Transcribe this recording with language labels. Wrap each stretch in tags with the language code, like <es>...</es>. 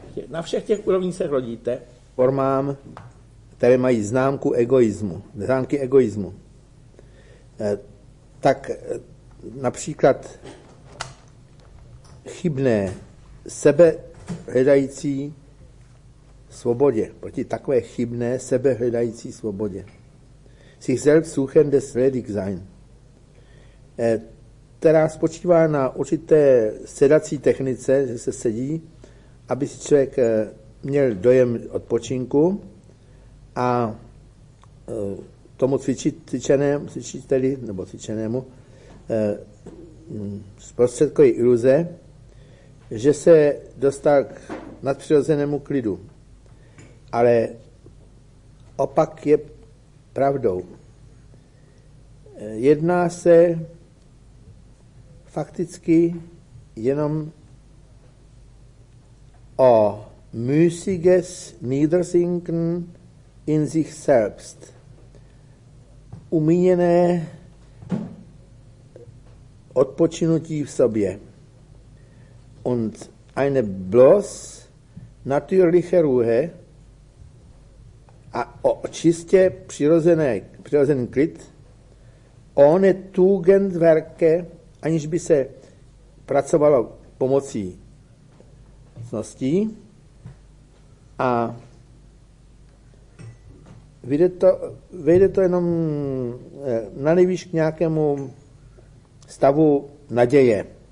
<cs>Na všech těch úrovních se rodíte formám, které mají známku egoismu, známky egoismu. Tak například chybné sebehledající svobodě, proti takové chybné sebehledající svobodě.</cs> <de>Sich selbst suchen des ledig sein.</de> <cs>Která spočívá na určité sedací technice, že se sedí, aby si člověk měl dojem odpočinku a tomu cvičenému zprostředkuje iluze, že se dostal k nadpřirozenému klidu. Ale opak je pravdou. Jedná se fakticky jenom o</cs> <de>müßiges Niedersinken in sich selbst.</de> <cs>Umíněné odpočinutí v sobě.</cs> <de>Und eine bloß natürliche Ruhe</de> <cs>a o čistě přirozený klid,</cs> <de>ohne Tugendwerke,</de> <cs>aniž by se pracovalo pomocí cností, a vyjde to jenom nanejvýš k nějakému stavu naděje.</cs>